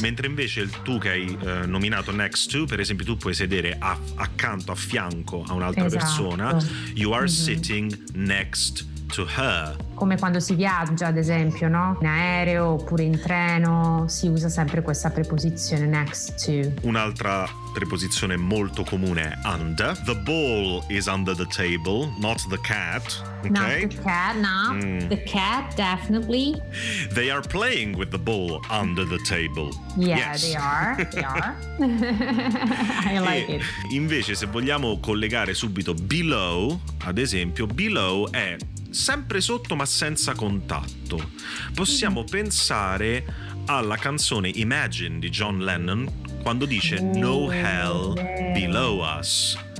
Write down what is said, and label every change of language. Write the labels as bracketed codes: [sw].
[it] Mentre invece il tu che hai nominato next to, per esempio tu puoi sedere accanto, a fianco a un'altra persona, [en] you are sitting next to her. [it] Come quando si viaggia, ad esempio, no? In aereo oppure in treno, si usa sempre questa preposizione next to. Un'altra preposizione molto comune è under. [en] The ball is under the table, not the cat. Okay? Not the cat, no. Mm. The cat, definitely. They are playing with the ball under the table. Yeah, yes. They are. I like it. [it] Invece, se vogliamo collegare subito below, ad esempio, below è sempre sotto ma senza contatto. Possiamo pensare alla canzone Imagine di John Lennon quando dice [en] no hell below us.